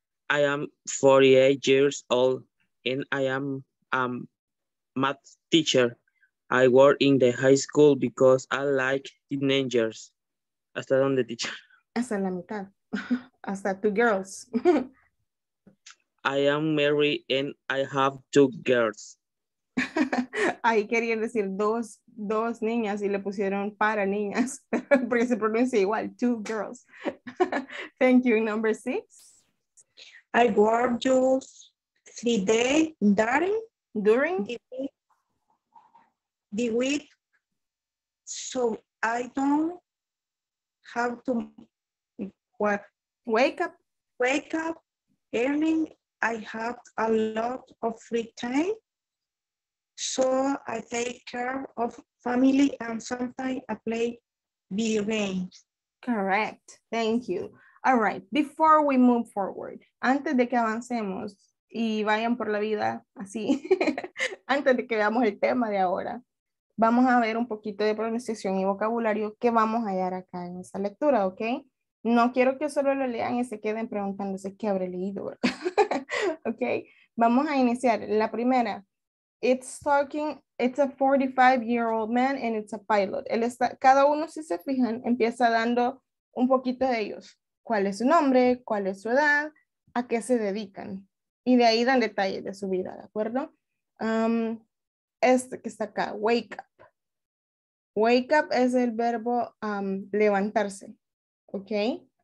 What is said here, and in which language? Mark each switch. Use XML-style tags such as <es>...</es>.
<en>I am 48 years old, and I am a math teacher. I work in the high school because I like teenagers.</en> <es>Hasta donde, teacher? Hasta la mitad. Hasta</es> <en>two girls. I am married, and I have two girls.</en> <es>Ahí querían decir dos niñas y le pusieron para niñas, porque se pronuncia igual,</es> <en>two girls. Thank you. Number six. I work just 3 days during the week, so I don't have to wake up early. I have a lot of free time, so I take care of family, and sometimes I play video games. Correct. Thank you. All right. Before we move forward,</en> <es>antes de que avancemos y vayan por la vida así, antes de que veamos el tema de ahora, vamos a ver un poquito de pronunciación y vocabulario que vamos a hallar acá en esta lectura, ¿ok? No quiero que solo lo lean y se queden preguntándose qué habré leído. ¿Ok? Vamos a iniciar. La primera.</es> <en>It's a 45-year-old man, and it's a pilot.</en> <es>Él está, cada uno, si se fijan, empieza dando un poquito de ellos. ¿Cuál es su nombre? ¿Cuál es su edad? ¿A qué se dedican? Y de ahí dan detalles de su vida, ¿de acuerdo? Este que está acá,</es> <en>wake up. Wake up</en> <es>es el verbo levantarse, ¿ok?</es>